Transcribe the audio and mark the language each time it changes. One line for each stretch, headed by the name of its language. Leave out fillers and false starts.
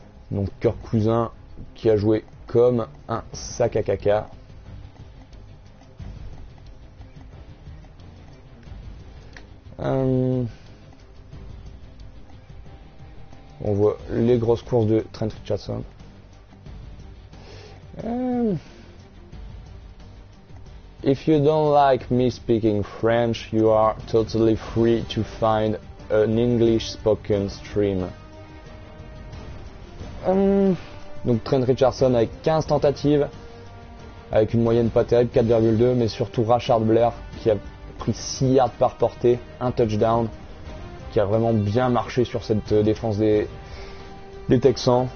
French: Donc, Kirk Cousin qui a joué comme un sac à caca. On voit les grosses courses de Trent Richardson.
English: If you don't like me speaking French, you are totally free to find an English spoken stream.
French: Donc Trent Richardson avec 15 tentatives, avec une moyenne pas terrible, 4,2, mais surtout Rashard Blair qui a pris 6 yards par portée, un touchdown, qui a vraiment bien marché sur cette défense des Texans.